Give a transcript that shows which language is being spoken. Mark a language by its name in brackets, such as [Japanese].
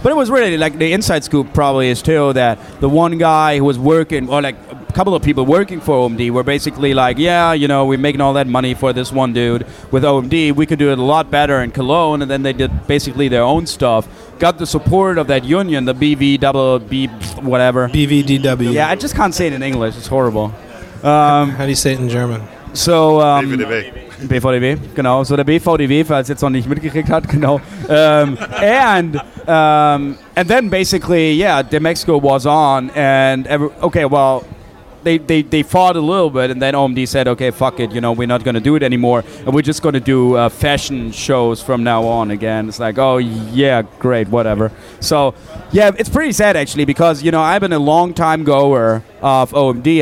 [English] But it was really like the inside scoop probably is too that the one guy who was working, or like a couple of people working for OMD were basically like, yeah, you know, we're making all that money for this one dude with OMD. We could do it a lot better in Cologne. And then they did basically their own stuff. Got the support of that union, the BVDW. Yeah, I just can't say it in English. It's horrible. How do you say it in German? So, BVDW. [German] Genau. [English] So the [German] BVDW, falls jetzt noch nicht mitgekriegt hat, genau. [English] And then basically, yeah, the Mexico was on, and they fought a little bit, and then OMD said, okay, fuck it, you know, we're not going to do it anymore, and we're just going to do fashion shows from now on again. It's like, oh, yeah, great, whatever. So, yeah, it's pretty sad, actually, because, you know, I've been a long-time goer of OMD.